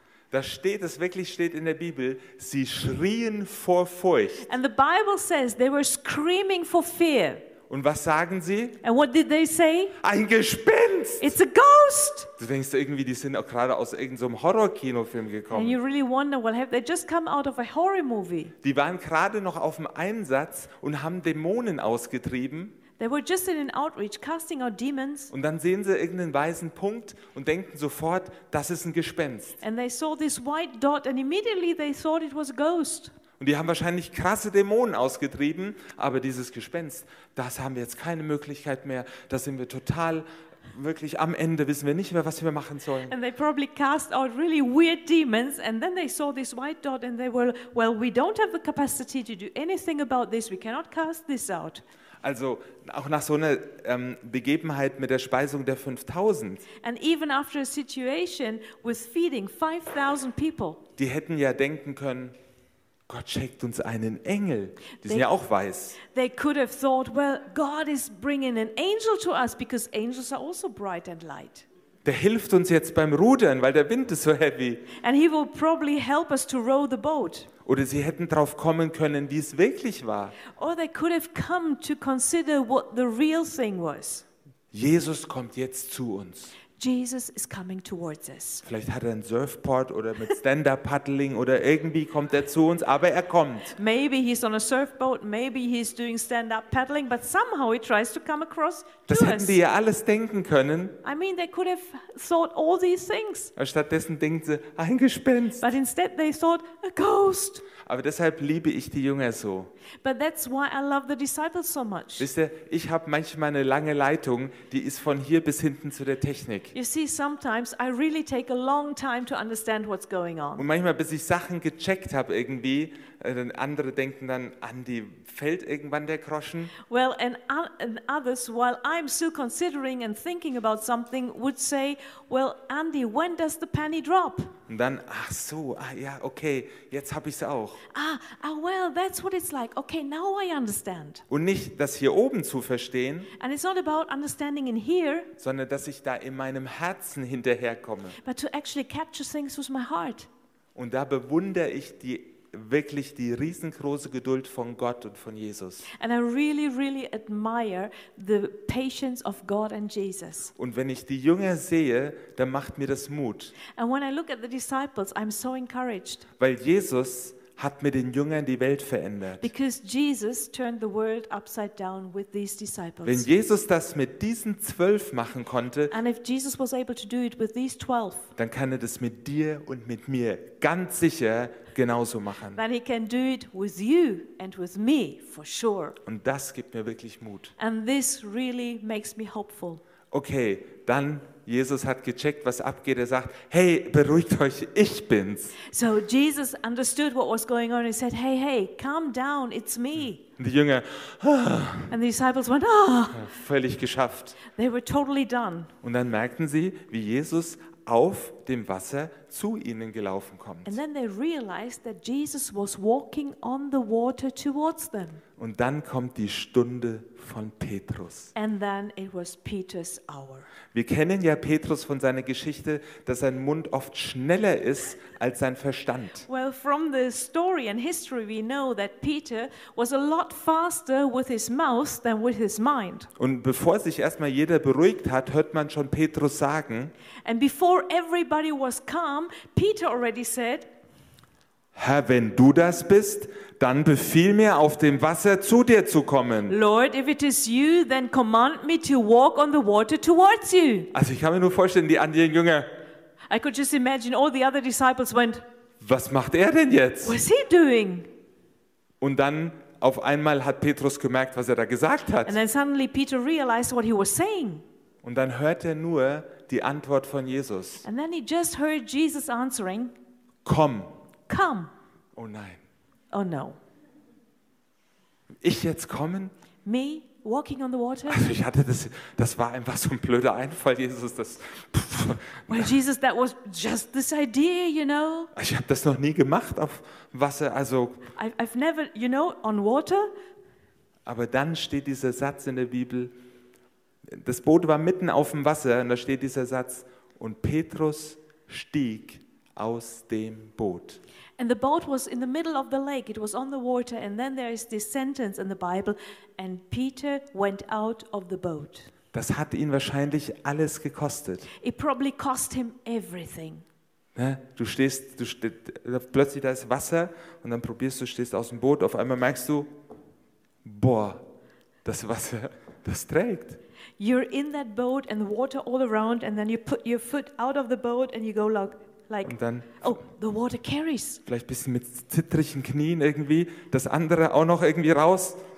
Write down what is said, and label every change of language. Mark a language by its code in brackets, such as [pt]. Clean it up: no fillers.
[de] Da steht es wirklich, steht in der Bibel, sie schrien vor Furcht. [en] And the Bible says they were screaming for fear. [de] Und was sagen sie? [en] And what did they say? [de] Ein Gespenst! [en] It's a ghost! [de] Du denkst irgendwie, die sind auch gerade aus irgendeinem Horror-Kinofilm gekommen. [en] And you really wonder, well, have they just come out of a horror movie? [de] Die waren gerade noch auf dem Einsatz und haben Dämonen ausgetrieben. [en] They were just in an outreach, casting out demons. [de] Und dann sehen sie irgendeinen weißen Punkt und denken sofort, das ist ein Gespenst. [en] And they saw this white dot and immediately they thought it was a ghost. [de] Und die haben wahrscheinlich krasse Dämonen ausgetrieben, aber dieses Gespenst, das haben wir jetzt keine Möglichkeit mehr. Da sind wir total, wirklich am Ende, wissen wir nicht mehr, was wir machen sollen. [en] And they probably cast out really weird demons and then they saw this white dot and they were, well, we don't have the capacity to do anything about this. We cannot cast this out. [de] Also auch nach so einer Begebenheit mit der Speisung der 5000. [en] And even after a situation with feeding 5000 people. [de] Die hätten ja denken können, Gott schickt uns einen Engel. Die sind ja auch weiß. [en] They could have thought, well, God is bringing an angel to us because angels are also bright and light. [de] Der hilft uns jetzt beim Rudern, weil der Wind ist so heavy. [en] And he will probably help us to row the boat. [de] Oder sie hätten drauf kommen können, wie es wirklich war. [en] Or they could have come to consider what the real thing was. [de] Jesus kommt jetzt zu uns. [en] Jesus is coming towards us. [de] Vielleicht hat er ein Surfboard oder mit Stand-up Paddling oder irgendwie kommt er zu uns, aber er kommt. [en] Maybe he's on a surfboat, maybe he's doing stand-up paddling, but somehow he tries to come across to us. [de] Das hätten die ja alles denken können. [en] I mean, they could have thought all these things. [de] Aber stattdessen denken sie, ein Gespenst. [en] But instead they thought a ghost. [de] Aber deshalb liebe ich die Jünger so. [en] But that's why I love the disciples so much. [de] Wisst ihr, ich habe manchmal eine lange Leitung, die ist von hier bis hinten zu der Technik. [en] You see, sometimes I really take a long time to understand what's going on. [de] Und manchmal, bis ich Sachen gecheckt habe irgendwie, andere denken dann, Andi, fällt irgendwann der Groschen? [en] Well, and others, while I'm still considering and thinking about something, would say, well, Andi, when does the penny drop? [de] Und dann, ach so, ah ja, okay, jetzt habe ich es auch. [en] Ah, well, that's what it's like. Okay, now I understand. [de] Und nicht, das hier oben zu verstehen. [en] And it's not about understanding in here. [de] Sondern, dass ich da in meinem Herzen hinterherkomme. [en] But to actually capture things with my heart. [de] Und da bewundere ich die wirklich die riesengroße Geduld von Gott und von Jesus. [en] And I really, really admire the patience of God and Jesus. [de] Und wenn ich die Jünger sehe, dann macht mir das Mut. [en] And when I look at the disciples, I'm so encouraged. [de] Weil Jesus hat mit den Jüngern die Welt verändert. [en] Because Jesus turned the world upside down with these disciples. [de] Wenn Jesus das mit diesen 12 machen konnte, [en] and if Jesus was able to do it with these 12, [de] dann kann er das mit dir und mit mir ganz sicher genauso machen. [en] Then he can do it with you and with me for sure. [de] Und das gibt mir wirklich Mut. [en] And this really makes me hopeful. [de] Okay, dann Jesus hat gecheckt, was abgeht. Er sagt, hey, beruhigt euch, ich bin's. [en] So Jesus understood what was going on. He said, hey, hey, calm down, it's me. [de] Und die Jünger, [en] and the disciples went, ah. [de] Völlig geschafft. [en] They were totally done. [de] Und dann merkten sie, wie Jesus auf dem Wasser zu ihnen gelaufen kommt. [en] And then they realized that Jesus was walking on the water towards them. [de] Und dann kommt die Stunde von Petrus. [en] And then it was Peter's hour. [de] Wir kennen ja Petrus von seiner Geschichte, dass sein Mund oft schneller ist als sein Verstand. [en] Well, from the story and history we know that Peter was a lot faster with his mouth than with his mind. [de] Und bevor sich erstmal jeder beruhigt hat, hört man schon Petrus sagen, [en] and before everybody was calm, Peter already said, [de] Herr, wenn du das bist, dann befiehl mir, auf dem Wasser zu dir zu kommen. [en] Lord, if it is you, then command me to walk on the water towards you. [de] Also ich kann mir nur vorstellen, die anderen Jünger. [en] I could just imagine all the other disciples went. [de] Was macht er denn jetzt? [en] What is he doing? [de] Und dann auf einmal hat Petrus gemerkt, was er da gesagt hat. [en] And then suddenly Peter realized what he was saying. [de] Und dann hört er nur die Antwort von Jesus. [en] And then he just heard Jesus answering. [de] Komm. [en] Come. [de] Oh nein. [en] Oh no. [de] Ich jetzt kommen? [en] Me walking on the water? [de] Also ich hatte das, das war einfach so ein blöder Einfall, Jesus, das. [en] Well, Jesus, that was just this idea, you know. [de] Ich habe das noch nie gemacht auf Wasser, also. [en] I've never, you know, on water. [de] Aber dann steht dieser Satz in der Bibel. Das Boot war mitten auf dem Wasser und da steht dieser Satz und Petrus stieg aus dem Boot. [en] And the boat was in the middle of the lake. It was on the water. And then there is this sentence in the Bible. And Peter went out of the boat. [de] Das hat ihn wahrscheinlich alles gekostet. [en] It probably cost him everything. [de] Ne? Du stehst, plötzlich da ist Wasser und dann probierst du, stehst aus dem Boot. Auf einmal merkst du, boah, das Wasser, das trägt. [en] You're in that boat and the water all around and then you put your foot out of the boat and you go like [de] und dann, [en] oh, the water carries. [de] Vielleicht bist du mit zittrigen Knien irgendwie, das andere auch noch irgendwie raus.